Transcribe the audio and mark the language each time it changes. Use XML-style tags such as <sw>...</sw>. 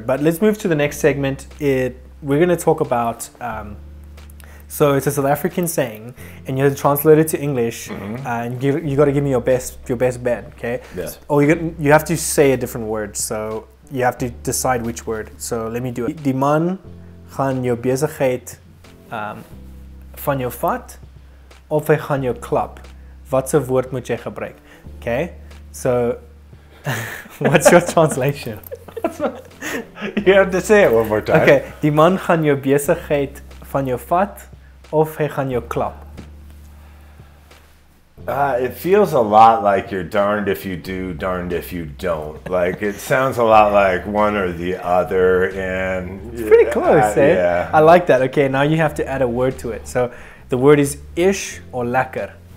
<en>But let's move to the next segment. We're going to talk about, so it's a South African saying, and you have to translate it to English. Mm-hmm. And you got to give me your best bet, okay? Yes. Or you have to say a different word, so you have to decide which word. So let me do it.</en> <af>Die man gaan jou besigheid van jou vat of hy gaan jou klap. Wat se woord moet jy gebruik? Okay?</af> <en>So what's your translation? You have to say it one more time. Okay.</en> <af>Die man gaan jou besigheid van jou vat of hy gaan jou klap.</af> <en>It feels a lot like you're darned if you do, darned if you don't. Like, it sounds a lot like one or the other, and it's pretty close, eh? Yeah. I like that. Okay, now you have to add a word to it. So, the word is ish or lekker?</en>